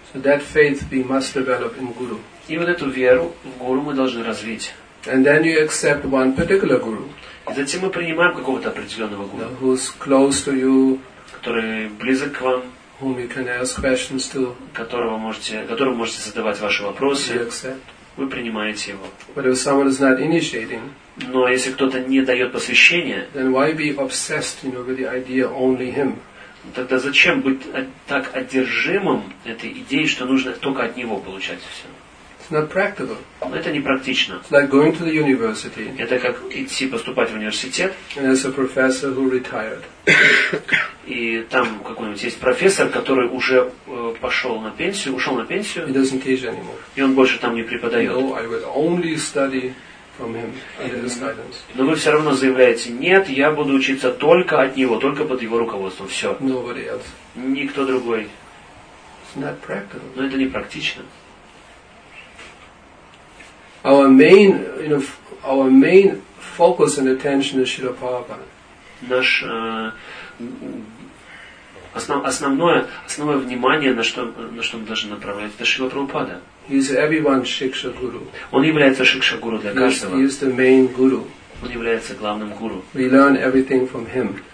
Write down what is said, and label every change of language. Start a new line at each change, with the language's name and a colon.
English: So that faith we must develop in guru.
Russian: И вот эту веру в гуру мы должны развить.
English: And then you accept one particular guru.
Russian: И затем мы принимаем какого-то определенного гуру.
English: Who is close to you?
Russian: Который близок к вам.
English: Whom you can ask questions to.
Russian: Которому можете задавать ваши вопросы.
English: You accept.
Russian: Вы принимаете его.
English: But if someone is not initiating.
Russian: Но если кто-то не дает посвящение.
English: Then why be obsessed, you know, with the idea only him?
Russian: Тогда зачем быть так одержимым этой идеей, что нужно только от него получать все?
English: It's not practical.
Russian: Но это не практично.
English: It's like going to the university.
Russian: Это как идти поступать в университет.
English: And as a professor who retired.
Russian: И там какой-нибудь есть профессор, который уже пошел на пенсию, ушел на пенсию.
English: He doesn't teach anymore.
Russian: И он больше там не преподает.
English: No, I will only study from him under his guidance.
Russian: Но вы все равно заявляете: нет, я буду учиться только от него, только под его руководством. Все.
English: Nobody else.
Russian: Никто другой.
English: It's not practical.
Russian: Но это не практично.
English: Our main focus and attention is Srila Prabhupada.
Russian: Наш основное внимание, на что мы должны направлять, это Шрила Прабхупада.
English: He is everyone's Shiksha Guru.
Russian: Он является Шикша Гуру для каждого.
English: He is the main guru.
Russian: Он является главным гуру.
English: We learn everything from him.